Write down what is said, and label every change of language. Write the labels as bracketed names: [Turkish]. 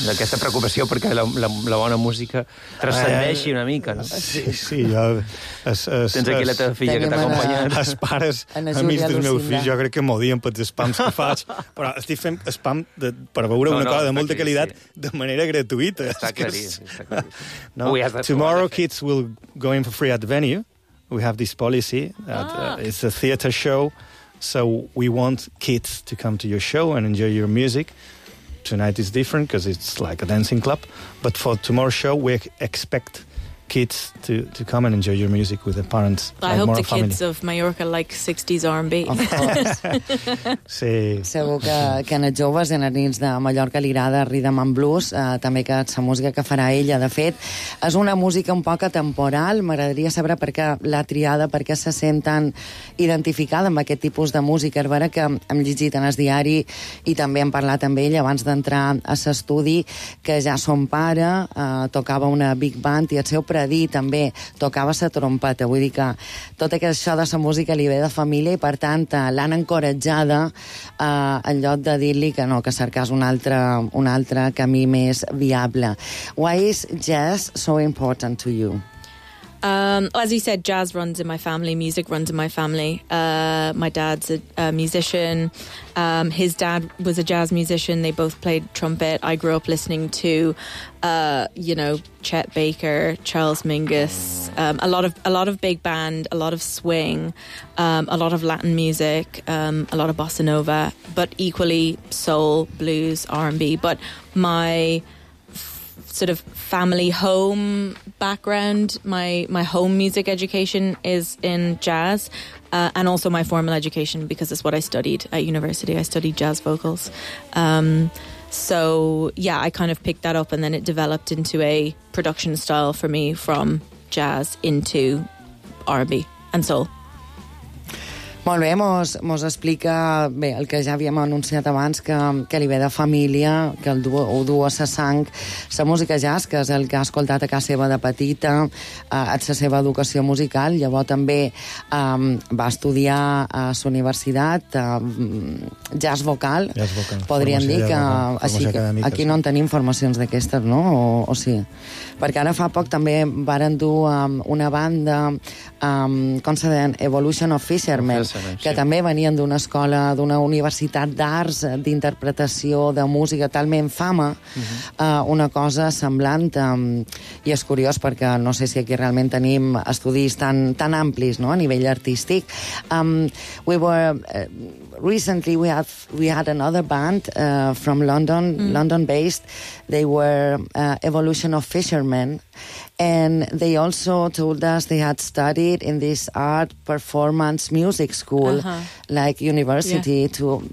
[Catalan] Aquesta preocupació perquè la bona música transcendeixi una mica, no? Sí, sí. Tens aquí la teva filla que t'ha acompanyat. Els pares, amics dels meus fills, jo crec que m'odien pels spams que faig, però estic fent spam per veure una cosa de molta qualitat de manera gratuïta. Està clarí, està clarí. [English] Tomorrow kids will go in for free at the venue. We have this policy that it's a theater show, so we want kids to come to your show and enjoy your music. Tonight is different because it's like a dancing club, but for tomorrow's show we expect kids to come and enjoy your music with their parents. I hope the kids of Mallorca like 60s R&B. [Catalan] Sí. Segur que en els joves i en els nens de Mallorca li agrada Rhythm and Blues, també que la música que farà ella, de fet, és una música un poc atemporal. M'agradaria saber per què l'ha triada, per què se sent tan identificada amb aquest tipus de música. És vera que hem llegit en el diari i també hem parlat amb ell abans d'entrar a l'estudi, que ja son pare tocava una big band i el seu Predí també tocava la trompeta. Vull dir que tot això de la música li ve de família i, per tant, l'han encoratjada en lloc de dir-li que no, que cercàs un altre camí més viable. [English] Why is jazz so important to you? As you said, jazz runs in my family, music runs in my family. My dad's a musician. His dad was a jazz musician. They both played trumpet. I grew up listening to, Chet Baker, Charles Mingus, a lot of big band, a lot of swing, a lot of Latin music, a lot of bossa nova, but equally soul, blues, R&B. But my sort of family home background, my home music education is in jazz, and also my formal education, because it's what I studied at university. I studied jazz vocals. So I kind of picked that up, and then it developed into a production style for me from jazz into R&B and soul. [Catalan] Molt bé, mos explica bé el que ja havíem anunciat abans, que li ve de família, que ho du a sa sang, sa música jazz, que és el que ha escoltat a casa seva de petita, a sa seva educació musical. Llavors també va estudiar a sa universitat jazz vocal, podríem formació dir que... Vocal, així, aquí no en tenim formacions d'aquestes, no? O sí? Perquè ara fa poc també varen dur una banda, com se deien, Evolution of Fishermen, que sí. També venien d'una escola, d'una universitat d'arts, d'interpretació, de música, talment fama, una cosa semblant, i és curiós perquè no sé si aquí realment tenim estudis tan amplis, no?, a nivell artístic. [English] Recently we had another band from London, London-based. They were Evolution of Fishermen. And they also told us they had studied in this art performance music school, like university. Yeah.